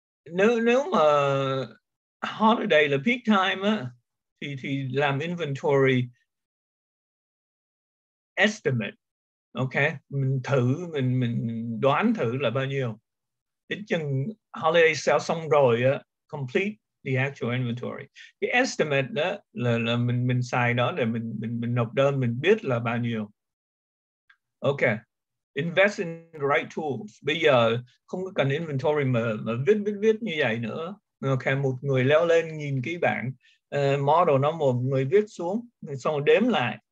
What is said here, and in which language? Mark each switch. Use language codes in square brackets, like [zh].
[vi] Nếu mà holiday là peak time á, thì làm inventory estimate, ok, mình thử mình đoán thử là bao nhiêu, đến chừng holiday sale xong rồi á, [en] complete the actual inventory, [vi] cái estimate đó là mình xài đó để mình nộp đơn, mình biết là bao nhiêu. [en] Ok, invest in the right tools. [vi] Bây giờ không cần inventory mà viết như vậy nữa. Ok, một người leo lên nhìn cái bảng model nó, một người viết xuống, xong rồi đếm lại.